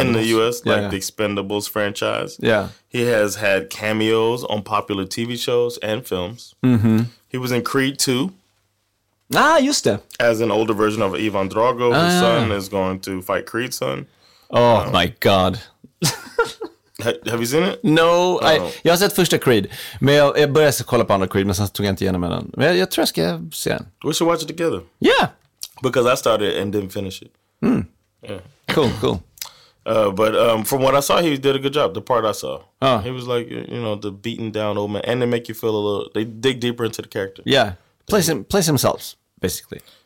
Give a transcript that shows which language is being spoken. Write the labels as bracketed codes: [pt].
[en] In the U.S., like the Expendables franchise. Yeah. He has had cameos on popular TV shows and films. Mm-hmm. He was in Creed 2. [sv] Ah, just det. [en] As an older version of Ivan Drago, whose son is going to fight Creed's son. Oh, my God. Have you seen it? No. Oh. [sv] Jag har sett första Creed. Men jag började kolla på andra Creed, men sen tog jag inte igenom den. Men jag tror jag ska se den. [en] We should watch it together. Yeah. Because I started and didn't finish it. Mm. Yeah. Cool. But from what I saw, he did a good job. The part I saw, he was like, you know, the beaten down old man, and they make you feel a little. They dig deeper into the character. Yeah, place himself basically.